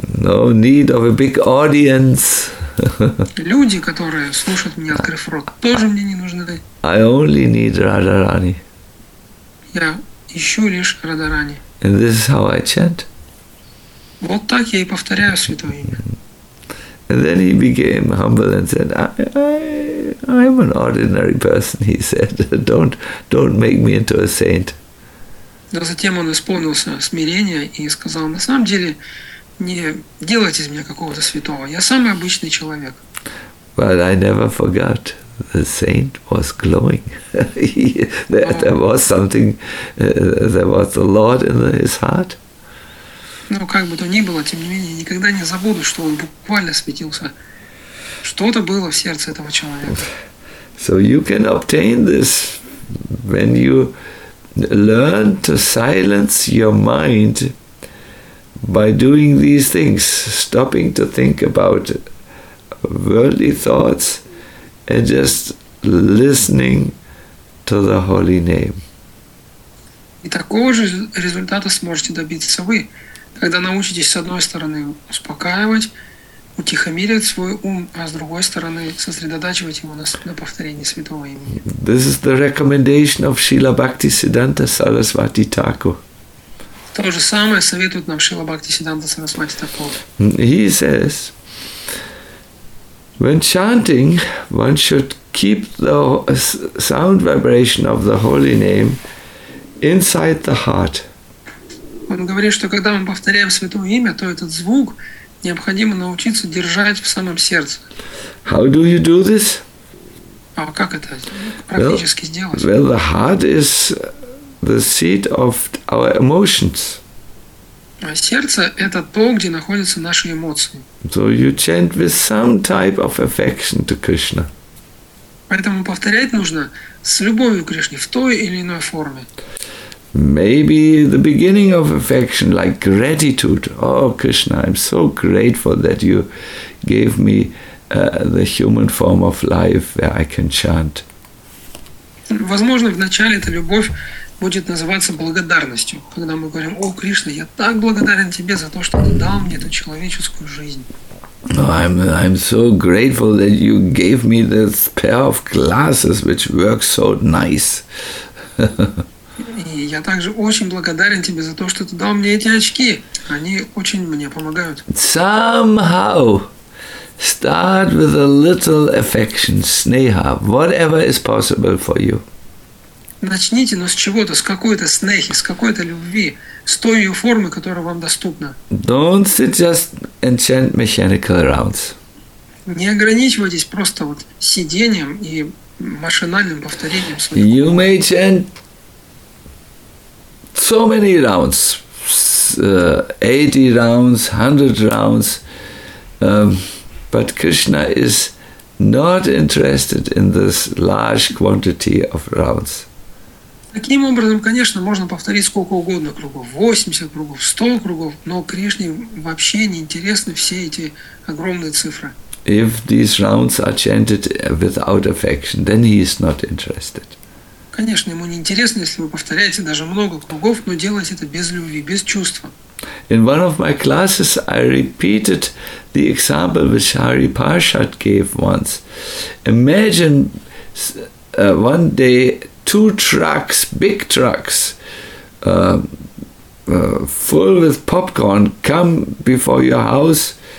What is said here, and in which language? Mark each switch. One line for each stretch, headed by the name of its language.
English: No need of a big audience.
Russian: Люди, которые слушают меня, открыв рот, тоже мне не нужны.
English: I only need Radharani.
Russian: Я ищу лишь Радарани.
English: And this is how I chant.
Russian: Вот так я и повторяю святое имя.
English: And then he became humble and said, I'm an ordinary person, he said. Don't make me into a saint.
Russian: Но затем он исполнился смирения и сказал, на самом деле, не делайте из меня какого-то святого. Я самый обычный человек.
English: But I never forgot. The saint was glowing. there was something. There was the Lord in his heart.
Russian: Ну, как бы то ни было, тем не менее, никогда не забуду, что он буквально светился. Что-то было в сердце этого человека.
English: So you can obtain this when you learn to silence your mind by doing these things, stopping to think about worldly thoughts and just listening to the holy name.
Russian: И такого же результата сможете добиться вы, когда научитесь, с одной стороны, успокаивать, утихомирить свой ум, а с другой стороны, сосредотачивать его на повторении святого имени.
English: This is the recommendation of Srila Bhaktisiddhanta Sarasvati Thakur.
Russian: То же самое советует нам Шрила Бхактисиддханта Сарасвати Тхакур.
English: He says, when chanting, one should keep the sound vibration of the holy name inside the heart.
Russian: Он говорит, что когда мы повторяем святое имя, то этот звук необходимо научиться держать в самом сердце.
English: How do you do this?
Russian: А как это практически сделать?
English: Well, the heart is the seat of our emotions.
Russian: А сердце – это то, где находятся наши эмоции.
English: So you chant with some type of affection to Krishna.
Russian: Поэтому повторять нужно с любовью к Кришне в той или иной форме.
English: Maybe the beginning of affection, like gratitude. Oh, Krishna, I'm so grateful that you gave me the human form of life where I can chant.
Russian: Возможно, вначале эта любовь будет называться благодарностью, когда мы говорим: «О, Кришна, я так благодарен тебе за то, что ты дал мне эту человеческую жизнь».
English: Oh, I'm so grateful that you gave me this pair of glasses which works so nice.
Russian: И я также очень благодарен тебе за то, что ты дал мне эти очки. Они очень мне помогают.
English: Somehow start with a little affection, sneha, whatever is possible for you.
Russian: Начните, но с чего-то, с какой-то снехи, с какой-то любви, с той ее формы, которая вам доступна.
English: Don't sit just and chant mechanical rounds.
Russian: Не ограничивайтесь просто вот сидением и машинальным повторением своих.
English: You may chant so many rounds, 80 rounds, 100 rounds, but Krishna is not interested in this large quantity of rounds.
Russian: Таким образом, конечно, можно повторить сколько угодно кругов, 80 кругов, 100 кругов, но Кришне вообще не интересны все эти огромные цифры.
English: If these rounds are chanted without affection, then he is not interested.
Russian: Конечно, ему не интересно, если вы повторяете даже много кругов, но делаете это без любви, без чувства.
English: In one of my classes I repeated the example which Hari Parshad gave once. Imagine one day two trucks, big trucks, full with popcorn come before your house.